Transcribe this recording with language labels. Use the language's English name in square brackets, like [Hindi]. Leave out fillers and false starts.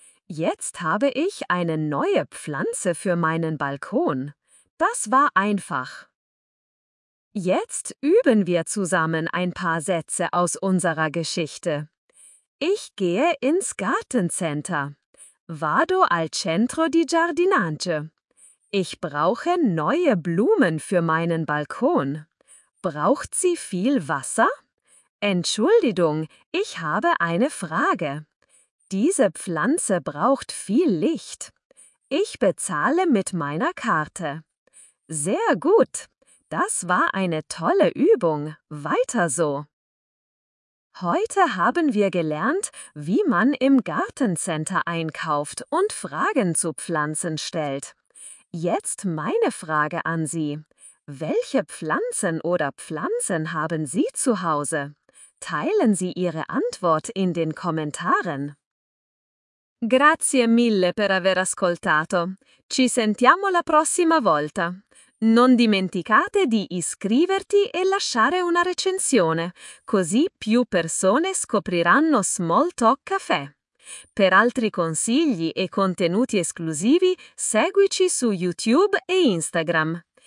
[German] Jetzt habe ich eine neue Pflanze für meinen Balkon. Das war einfach. Jetzt üben wir zusammen ein paar Sätze aus unserer Geschichte. Ich gehe ins Gartencenter. [Italian] Vado al centro di giardinaggio. [German] Ich brauche neue Blumen für meinen Balkon. Braucht sie viel Wasser? Entschuldigung, ich habe eine Frage. Diese Pflanze braucht viel Licht. Ich bezahle mit meiner Karte. Sehr gut. Das war eine tolle Übung. Weiter so. Heute haben wir gelernt, wie man im Gartencenter einkauft und Fragen zu Pflanzen stellt. Jetzt meine Frage an Sie. Welche Pflanzen oder Pflanzen haben Sie zu Hause? Teilen Sie Ihre Antwort in den Kommentaren. [Italian] Grazie mille per aver ascoltato. Ci sentiamo la prossima volta. Non dimenticate di iscriverti e lasciare una recensione, così più persone scopriranno Smalltalk Café. Per altri consigli e contenuti esclusivi, seguici su YouTube e Instagram.